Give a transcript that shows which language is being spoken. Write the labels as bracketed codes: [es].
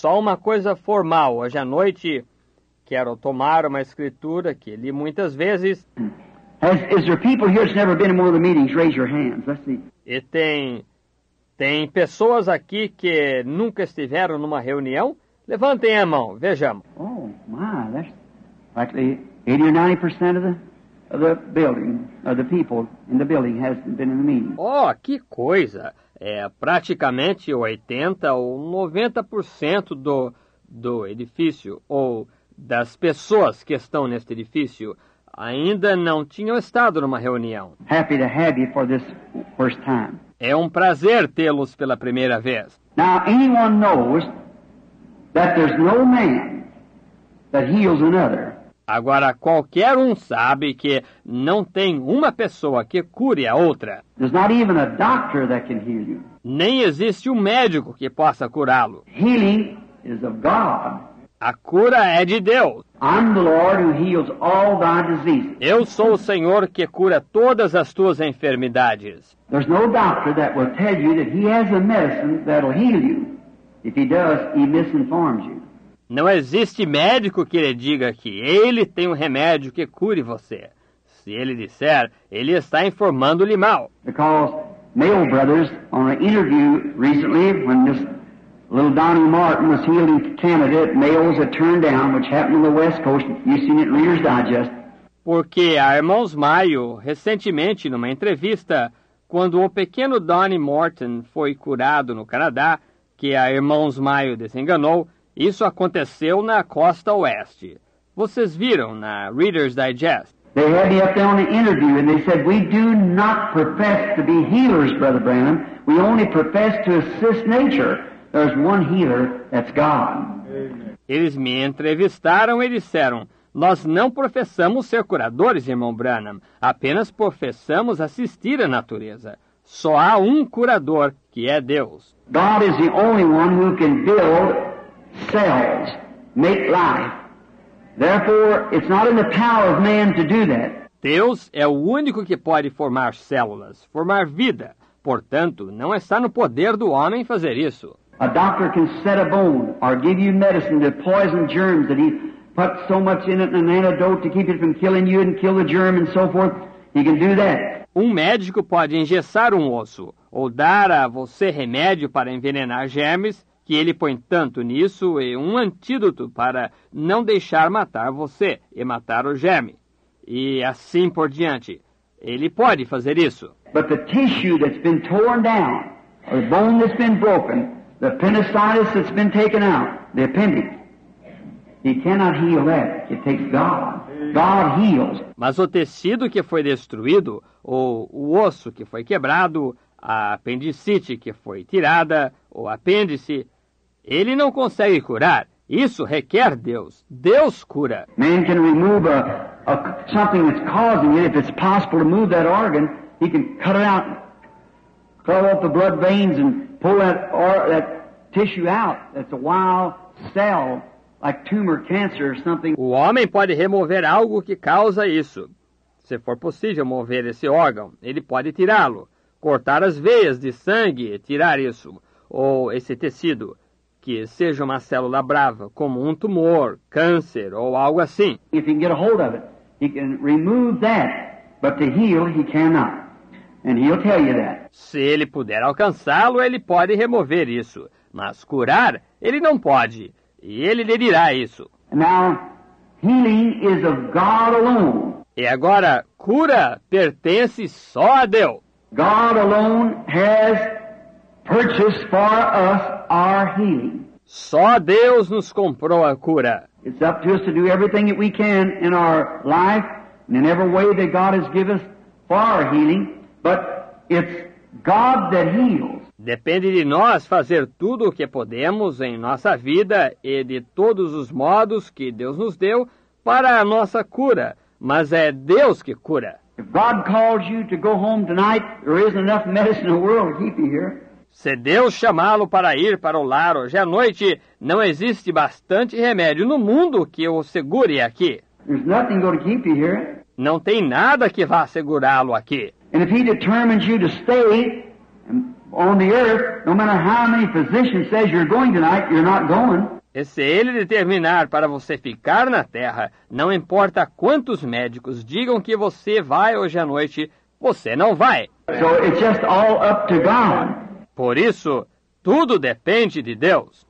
[pt] Só uma coisa formal. Hoje à noite quero tomar uma escritura que li muitas vezes. [en] Is there people here that's never been in one of the meetings? Raise your hands. Let's see. [pt] E tem pessoas aqui que nunca estiveram numa reunião? Levantem a mão. Vejamos. [en] Oh, my. That's likely 80 or 90% of the building, of the people in the building hasn't been in the meeting. [pt] Oh, que coisa. É praticamente 80 ou 90% do edifício, ou das pessoas que estão neste edifício, ainda não tinham estado numa reunião. [en] Happy to have you for this first time. [pt] É um prazer tê-los pela primeira vez. [en] Now, anyone knows that there's no man that heals another. [pt] Agora, qualquer um sabe que não tem uma pessoa que cure a outra. [en] There's not even a doctor that can heal you. [pt] Nem existe um médico que possa curá-lo. [en] Healing is of God. [pt] A cura é de Deus. [en] I'm the Lord who heals all thy diseases. [pt] Eu sou o Senhor que cura todas as tuas enfermidades. [en] There's no doctor that will tell you that he has a medicine that'll heal you. If he does, he misinforms you. [pt] Não existe médico que lhe diga que ele tem um remédio que cure você. Se ele disser, ele está informando-lhe mal. [en] Because male brothers, on an interview recently, when this little Donnie Martin was healing candidate, males had turned down, which happened on the West Coast. You've seen it in Reader's Digest. [pt] Porque a Irmãos Maio, recentemente, numa entrevista, quando o pequeno Donnie Martin foi curado no Canadá, que a Irmãos Maio desenganou, isso aconteceu na costa oeste. Vocês viram na Reader's Digest. [en] They had me up there on an interview and they said, we do not profess to be healers, Brother Branham. We only profess to assist nature. There's one healer, that's God. [pt] Eles me entrevistaram e disseram, nós não professamos ser curadores, Irmão Branham. Apenas professamos assistir a natureza. Só há um curador, que é Deus. [en] God is the only one who can build cells, make life. Therefore, it's not in the power of man to do that. [pt] Deus é o único que pode formar células, formar vida. Portanto, não está no poder do homem fazer isso. [en] A doctor can set a bone or give you medicine to poison germs that he put so much in it, an antidote to keep it from killing you and kill the germ and so forth. He can do that. [pt] Um médico pode engessar um osso ou dar a você remédio para envenenar germes, que ele põe tanto nisso e um antídoto para não deixar matar você e matar o germe. E assim por diante. Ele pode fazer isso. [en] But the tissue that's been torn down, or the bone that's been broken, the appendicitis that's been taken out, the appendix, he cannot heal that. It takes God. God heals. [pt] Mas o tecido que foi destruído, ou o osso que foi quebrado, a apendicite que foi tirada, ou apêndice, ele não consegue curar. Isso requer Deus. Deus cura. [en] Man can remove something that's causing it. If it's possible to move that organ, he can cut it out, clog up the blood veins and pull that tissue out. That's a wild cell, like tumor, cancer or something. [pt] O homem pode remover algo que causa isso. Se for possível mover esse órgão, ele pode tirá-lo, cortar as veias de sangue e tirar isso, ou esse tecido, que seja uma célula brava, como um tumor, câncer ou algo assim. [en] If he can get a hold of it, he can remove that, but to heal he cannot. And he'll tell you that. [pt] Se ele puder alcançá-lo, ele pode remover isso, mas curar ele não pode, e ele lhe dirá isso. [en] Now, healing is of God alone. [pt] E agora, cura pertence só a Deus. [en] God alone has purchased for us our healing. [pt] Só Deus nos comprou a cura. [en] It's up to us to do everything that we can in our life and in every way that God has given us for our healing. But it's God that heals. [pt] Depende de nós fazer tudo o que podemos em nossa vida e de todos os modos que Deus nos deu para a nossa cura. Mas é Deus que cura. [en] If God calls you to go home tonight, there isn't enough medicine in the world to keep you here. [pt] Se Deus chamá-lo para ir para o lar hoje à noite, não existe bastante remédio no mundo que o segure aqui. [en] There's nothing going to keep you here. [pt] Não tem nada que vá segurá-lo aqui. [en] And if he determines you to stay on the earth, no matter how many physicians say you're going tonight, you're not going. [pt] E se ele determinar para você ficar na terra, não importa quantos médicos digam que você vai hoje à noite, você não vai. [en] So it's just all up to God. [pt] Por isso, tudo depende de Deus.